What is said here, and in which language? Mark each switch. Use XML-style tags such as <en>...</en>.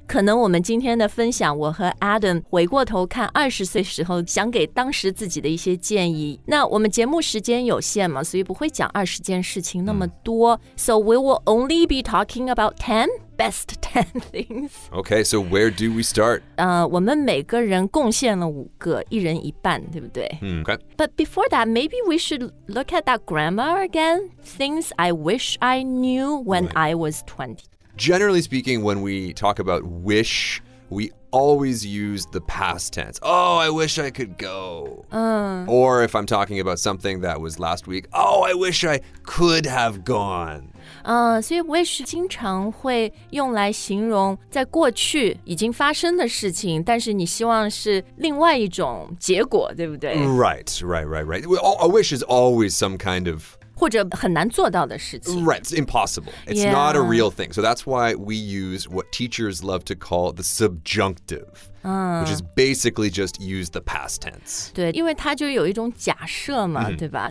<zh>可能我们今天的分享，我和 Adam 回过头看20岁时候想给当时自己的一些建议。那我们节目时间有限嘛，所以不会讲20件事情那么多。</zh> <en>So we will only be talking about 10? Best 10 things. Okay, so where do we start?</en> <zh>我们每个人贡献了五个，一人一半，对不对？</zh> <en>Okay. But before that, maybe we should look at that grammar again. Things I wish I knew when I was 20. Generally speaking, when we talk about wish, we always use the past tense. Oh, I wish I could go. Or if I'm talking about something that was last week, oh, I wish I could have gone.</en> <zh>所以 wish 经常会用来形容在过去已经发生的事情，但是你希望是另外一种结果，对不对？</zh> <en>Right, right, right, right. A wish is always some kind of...</en> <zh>或者很难做到的事情。</zh> <en>Right, it's impossible. It's yeah. not a real thing. So that's why we use what teachers love to call the subjunctive,which is basically just use the past tense.</en> <zh>对，因为它就有一种假设嘛，对吧？</zh>